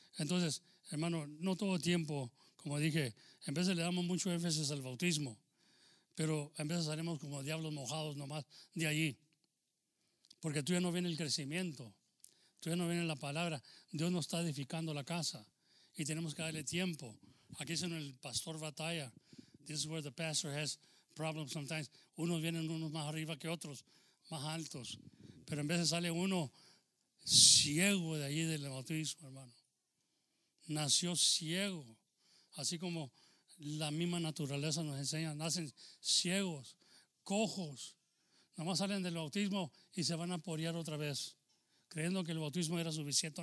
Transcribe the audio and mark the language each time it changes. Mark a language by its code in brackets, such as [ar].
[es] Entonces, hermano, no todo tiempo, como dije, en veces le damos mucho énfasis al bautismo, pero en veces salimos como diablos mojados nomás de allí. Porque tú ya no viene el crecimiento, tú ya no viene la palabra. Dios nos está edificando la casa y tenemos que darle tiempo. Aquí es en el pastor batalla. [en] This is where the pastor has problems sometimes. [es] Unos vienen unos más arriba que otros, más altos, pero en vez de sale uno ciego de allí del bautismo, hermano, nació ciego, así como la misma naturaleza nos enseña, nacen ciegos, cojos, nomás salen del bautismo y se van a porear otra vez, creyendo que el bautismo era suficiente.